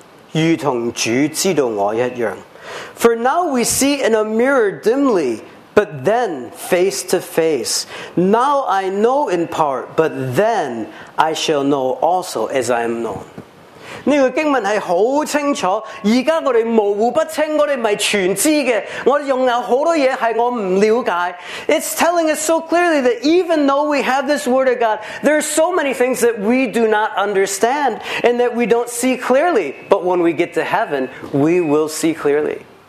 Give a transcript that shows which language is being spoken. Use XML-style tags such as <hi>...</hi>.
<zh>我们如今仿佛对着镜子观看，模糊不清。到那时就要面对面了。我如今所知道的有限，到那时就全知道，如同主知道我一样。</zh> <en>For now we see in a mirror dimly, but then face to face. Now I know in part, but then I shall know also as I am known.</en> <zh>这个经文是很清楚，现在我们模糊不清，我们不是全知的，我们还有很多东西是我们不了解。</zh> <en>It's telling us so clearly that even though we have this Word of God, there are so many things that we do not understand and that we don't see clearly. But when we get to heaven, we will see clearly.</en>